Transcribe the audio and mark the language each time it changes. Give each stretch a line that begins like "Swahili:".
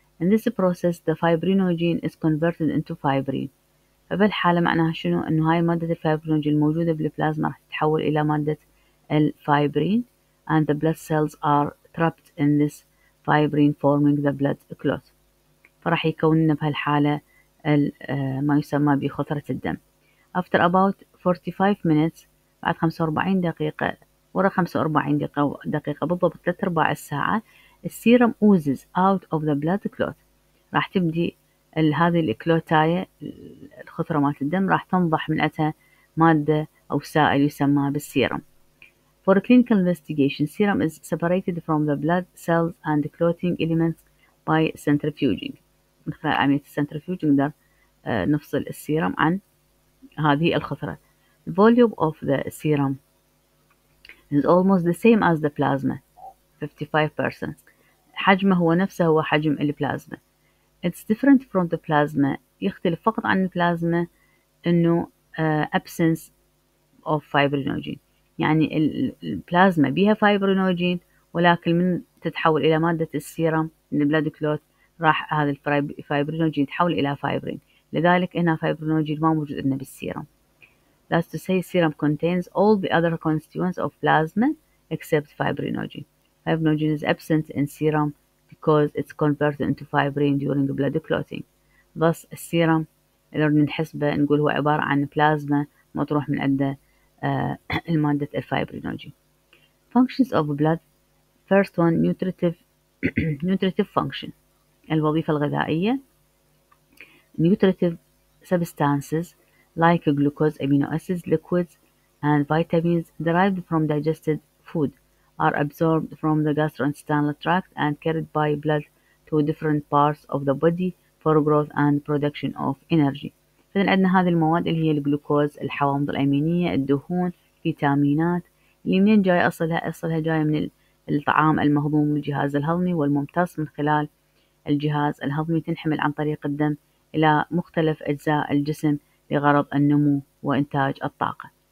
English: In this process the fibrinogen is converted into fibrin.
Arabic: فبالحالة معناها شنو؟ انه هاي مادة الفايبرينوجين الموجودة بالبلازما راح تتحول الى مادة الفايبرين.
English: And the blood cells are trapped in this fibrin forming the blood clot.
Arabic: فراح يكوننا بهالحالة ما يسمى بخثرة الدم.
English: After about 45 minutes
Arabic: بعد 45 دقيقة ورا 45 دقيقة بالضبط 3/4 الساعة السيرم
English: oozes out of the blood clot.
Arabic: راح تبدي هذه الكلوتاية الخثرة مالت الدم راح تنضح من أتها مادة أو سائل يسمى بالسيرم.
English: For clinical investigation serum is separated from the blood cells and clotting elements by centrifuging.
Arabic: من خلال عملية السنترفيوج نقدر نفصل السيرم عن هذه الخثرة.
English: The volume of the serum is almost the same as the plasma, 55%.
Arabic: حجمه هو نفسه هو حجم البلازما.
English: It's different from the plasma.
Arabic: يختلف فقط عن البلازما إنه
English: absence of fibrinogen.
Arabic: يعني البلازما بيها fibrinogen ولكن من تتحول إلى مادة السيرم من blood clot راح هذا الفايبرينوجين يتحول إلى فايبرين، لذلك هنا فايبرينوجين ما موجود إلا بالسيرم.
English: That's to say serum contains all the other constituents of plasma except fibrinogen. Fibrinogen is absent in serum because it's converted into fibrin during blood clotting.
Arabic: Thus السيرم إذا نحسبه نقول هو عبارة عن بلازما مطروح من عنده المادة الفايبرينوجين.
English: Functions of blood. First one nutritive nutritive function.
Arabic: الوظيفة الغذائية.
English: Nutritive substances like glucose, amino acids, liquids and vitamins derived from digested food are absorbed from the gastrointestinal tract and carried by blood to different parts of the body for growth and production of energy.
Arabic: فإذا عندنا هذه المواد اللي هي الجلوكوز، الحوامض الأمينية، الدهون، الفيتامينات، اللي منين جاي أصلها؟ أصلها جاي من الطعام المهضوم من الجهاز الهضمي والممتص من خلال الجهاز الهضمي، تنحمل عن طريق الدم إلى مختلف أجزاء الجسم لغرض النمو وإنتاج الطاقة.